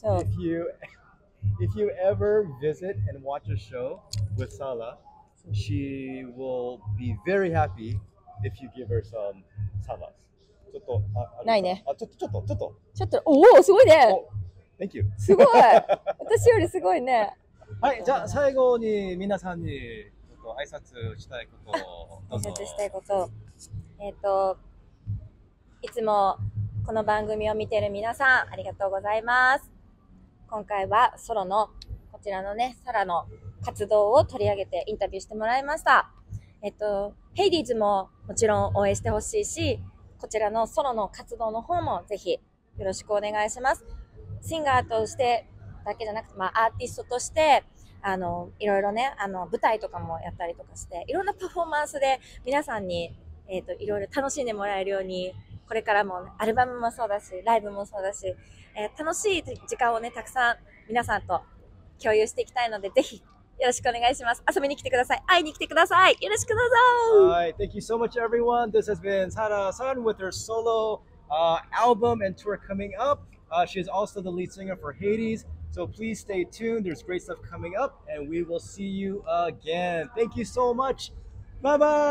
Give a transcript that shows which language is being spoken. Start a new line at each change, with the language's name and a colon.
English: そう、 if you ever visit and watch a show with Sala、She will be very happy if you give her some sabas.
Japanese: ちょっと、ないね。あ、ちょっと。ちょっと、おお、すごいね。
English: Thank you.
Japanese: すごい。私よりすごいね。はい、じゃあ最後に皆さんにちょっと挨拶したいことを。挨拶したいこと。いつもこの番組を見てる皆さん、ありがとうございます。今回はソロの、こちらのね、サラの活動を取り上げてインタビューしてもらいました。ヘイディーズももちろん応援してほしいし、こちらのソロの活動の方もぜひよろしくお願いします。シンガーとしてだけじゃなくて、まあ、アーティストとして、いろいろね、舞台とかもやったりとかして、いろんなパフォーマンスで皆さんに、いろいろ楽しんでもらえるように、これからもアルバムもそうだし、ライブもそうだし、楽しい時間をね、たくさん皆さんと共有していきたいので、ぜひよろしくお願いします。遊びに来てください。会いに来てください。よろしくどうぞ。
English: はい、Thank you so much, everyone. This has been Sara San with her solo album and tour coming up. She's also the lead singer for Hades. So please stay tuned. There's great stuff coming up, and we will see you again. Thank you so much. Bye bye.